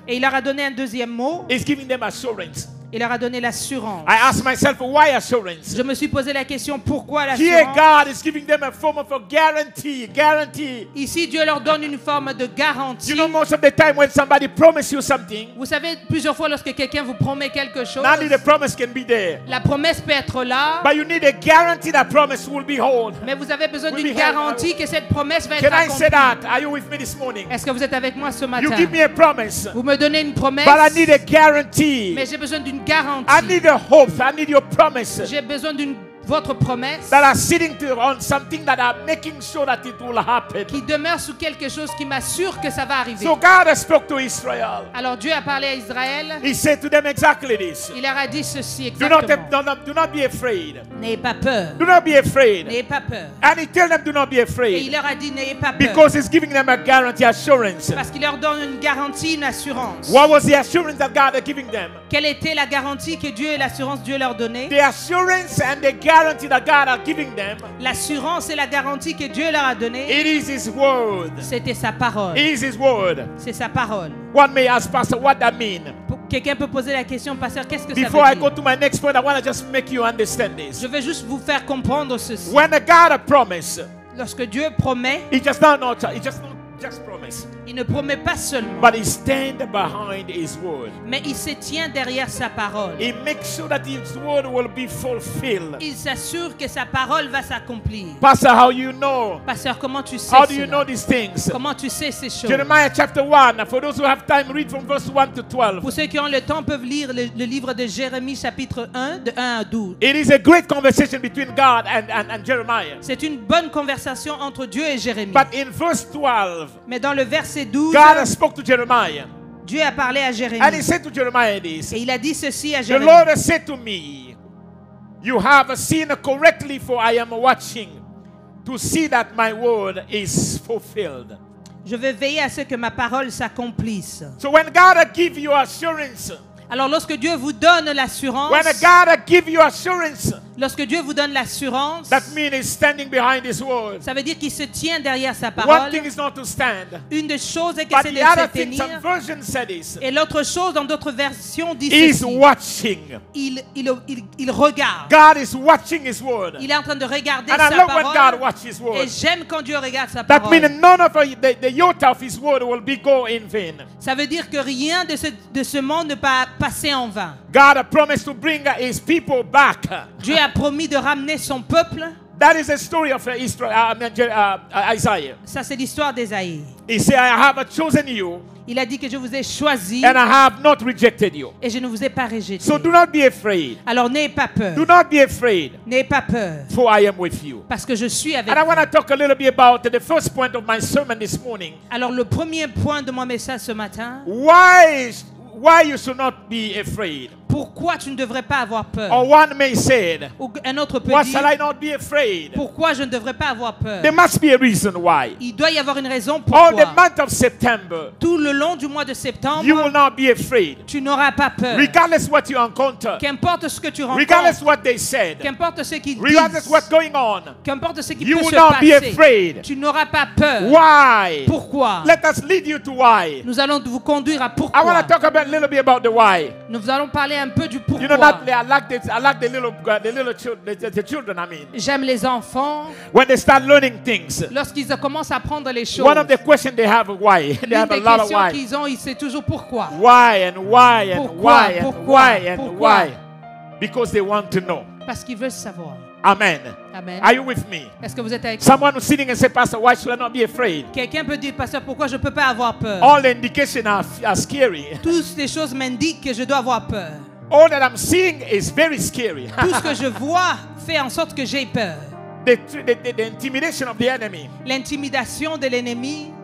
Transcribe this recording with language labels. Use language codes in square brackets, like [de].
[fr] Et il leur a donné un deuxième mot. [en] He's giving them assurance. [fr] Il leur a donné l'assurance. [en] I asked myself, why assurance? [fr] Je me suis posé la question pourquoi l'assurance? [en] Here God is giving them a form of a guarantee. [fr] Ici Dieu leur donne une forme de garantie. [en] You know, most of the time when somebody promises you something. [fr] Vous savez plusieurs fois lorsque quelqu'un vous promet quelque chose. [en] Not only the promise can be there. [fr] La promesse peut être là. [en] But you need a guarantee that promise will be held. [fr] Mais vous avez besoin d'une garantie que cette promesse va [en] can [fr] être accomplie. [en] Can I say that? Are you with me this morning? [fr] Est-ce que vous êtes avec moi ce matin? [en] You give me a promise. [fr] Vous me donnez une promesse. [en] But I need a guarantee. [fr] Mais j'ai besoin d'une [en] I need a hope. I need your promise. [fr] J'ai besoin d'une votre promesse. [en] That are sitting on something that are making sure that it will happen. [fr] Qui demeure sous quelque chose qui m'assure que ça va arriver. [en] So God spoke to Israel. [fr] Alors Dieu a parlé à Israël. [en] He said to them exactly this. [fr] Il leur a dit ceci exactement. [en] Do not be afraid. [fr] N'ayez pas peur. [en] Do not be afraid. [fr] N'ayez pas peur. [en] And he tell them do not be afraid. [fr] Et il leur a dit n'ayez pas peur. [en] Because he's giving them a guarantee assurance. [fr] Parce qu'il leur donne une garantie, une assurance. [en] What was the assurance that God is giving them? [fr] Quelle était la garantie que Dieu et l'assurance Dieu leur donnait? [en] The assurance and the guarantee that God are giving them. [fr] L'assurance et la garantie que Dieu leur a donnée. [en] It is His word. [fr] C'était sa parole. [en] It is His word. [fr] C'est sa parole. [en] One may ask, Pastor, what that mean? [fr] Quelqu'un peut poser la question, Pasteur, qu'est-ce que [en] Before [fr] ça veut [en] I Before I go to my next point, I want to just make you understand this. [fr] Je veux juste vous faire comprendre ceci. [en] When a God a promise, [fr] lorsque Dieu promet, [en] He just not just promise. [fr] Il ne promet pas seulement. [en] But he stand behind his word. [fr] Mais il se tient derrière sa parole. [en] He makes sure that his word will be fulfilled. [fr] Il s'assure que sa parole va s'accomplir. [en] Pastor, how you know? [fr] Pasteur, comment tu sais? [en] How do you know these things? [fr] Comment tu sais ces choses? [en] Jeremiah chapter 1. For those who have time, read from verse 1 to 12. [fr] Pour ceux qui ont le temps peuvent lire le livre de Jérémie chapitre 1 de 1 à 12. [en] It is a great conversation between God and Jeremiah. [fr] C'est une bonne conversation entre Dieu et Jérémie. [en] But in verse 12, [fr] mais dans le verset 12, [en] God spoke to Jeremiah. [fr] Dieu a parlé à Jérémie. [en] And he said to Jeremiah this. [fr] Et il a dit ceci à [en] Jérémie. The Lord said to me, you have seen correctly, for I am watching to see that my word is fulfilled. [fr] Je vais veiller à ce que ma parole s'accomplisse. [en] So when God gives you assurance, [fr] alors lorsque Dieu vous donne l'assurance, [en] when God gives you assurance, [fr] lorsque Dieu vous donne l'assurance, [en] that means he's standing behind his word. [fr] Ça veut dire qu'il se tient derrière sa parole. [en] One thing is not to stand. [fr] Une des choses est que c'est de se tenir. [en] Some version said this. [fr] Et l'autre chose, dans d'autres versions, dit ceci. [en] He's watching. [fr] Il regarde. [en] God is watching his word. [fr] Il est en train de regarder [en] and [fr] sa parole. [en] When God watches his word. [fr] Et j'aime quand Dieu regarde sa [en] that [fr] parole. [en] That means none of the yota of his word will be go in vain. [fr] Ça veut dire que rien de ce monde ne va passer en vain. [en] God promised to bring his people back. [fr] Dieu a promis de ramener son peuple. [en] That is the story of Isaiah. [fr] Ça c'est l'histoire d'Isaïe. [en] He said, I have chosen you. [fr] Il a dit que je vous ai choisi. [en] And I have not rejected you. [fr] Et je ne vous ai pas rejeté. [en] So do not be afraid. [fr] Alors n'ayez pas peur. [en] Do not be afraid. [fr] N'ayez pas peur. [en] For I am with you. [fr] Parce que je suis avec vous. [en] And I want to talk a little bit about the first point of my sermon this morning. [fr] Alors le premier point de mon message ce matin. [en] Why you should not be afraid? [fr] Pourquoi tu ne devrais pas avoir peur? [en] Or one may say, [fr] ou un autre peut [en] why [fr] dire, [en] I not be afraid? [fr] Pourquoi je ne devrais pas avoir peur? [en] There must be a reason why. [fr] Il doit y avoir une raison pourquoi. [en] All the month of September, [fr] tout le long du mois de septembre, [en] you will not be afraid. [fr] Tu n'auras pas peur. [en] Regardless what you encounter, [fr] qu'importe ce que tu rencontres, [en] regardless what they said, [fr] qu'importe ce qu'ils [en] regardless [fr] disent, [en] regardless what's going on, [fr] qu'importe ce qui [en] you [fr] peut [en] will [fr] se [en] not [fr] passer, [en] be afraid. [fr] Tu n'auras pas peur. [en] Why? [fr] Pourquoi? [en] Let us lead you to why. [fr] Nous allons vous conduire à pourquoi. [en] I want to talk a little bit about the why. [fr] Nous allons parler un peu du pourquoi. [en] You know that I like the children, I mean. [fr] J'aime les enfants. [en] When they start learning things. [fr] Lorsqu'ils commencent à apprendre les choses. [en] One of the questions they have why. They have a lot of why. [fr] Qu'ils ont, ils savent toujours pourquoi. [en] Why and why and [fr] pourquoi, [en] why and [fr] pourquoi, [en] why and [fr] pourquoi. [en] Why. Because they want to know. [fr] Parce qu'ils veulent savoir. [en] Amen. [fr] Amen. [en] Are you with me? [fr] Est-ce que vous êtes avec [en] someone who's sitting and say, Pastor, why should I not be afraid? [fr] Quelqu'un peut dire, Pastor, pourquoi je peux pas avoir peur? [en] All the indications are scary. [fr] Toutes les choses m'indiquent que je dois avoir peur. [en] All that I'm seeing is very scary. [fr] Tout ce que je vois fait en sorte que j'ai peur. [en] The intimidation of the enemy. [fr] L'intimidation de l'ennemi.